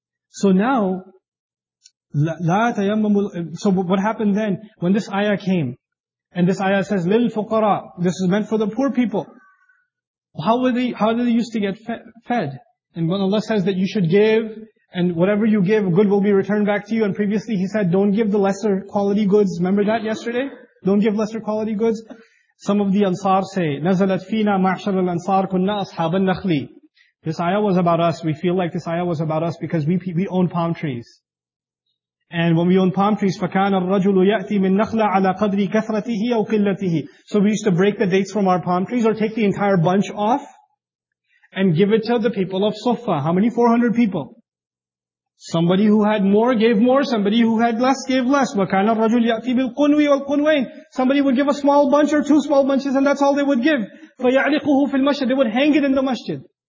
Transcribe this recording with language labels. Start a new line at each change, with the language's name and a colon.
English: So now, so what happened then, when this ayah came, and this ayah says, lil fuqara, this is meant for the poor people. How did they used to get fed? And when Allah says that you should give, and whatever you give, good will be returned back to you. And previously he said, don't give the lesser quality goods. Remember that yesterday? Don't give lesser quality goods. Some of the Ansar say,
Arabic: نَزَلَتْ فِينَا مَعْشَرَ الْأَنصَارِ كُنَّا أَصْحَابَ النَّخْلِ.
English: This ayah was about us. We feel like this ayah was about us because we own palm trees. And when we own palm trees,
Arabic: فَكَانَ الرَّجُلُ يَأْتِي مِن نَخْلَ عَلَى قَدْرِ كَثْرَتِهِ أَوْ قِلَّتِهِ.
English: So we used to break the dates from our palm trees or take the entire bunch off and give it to the people of Suffa. How many? 400 people. Somebody who had more gave more, somebody who had less gave less.
Arabic: وَكَانَ الرَّجُلْ يَأْتِي بِالْقُنْوِ وَالْقُنْوَيْنِ.
English: Somebody would give a small bunch or two small bunches and that's all they would give.
Arabic: فَيَعْلِقُهُ فِي الْمَسْجِدِ.
English: They would hang it in the masjid.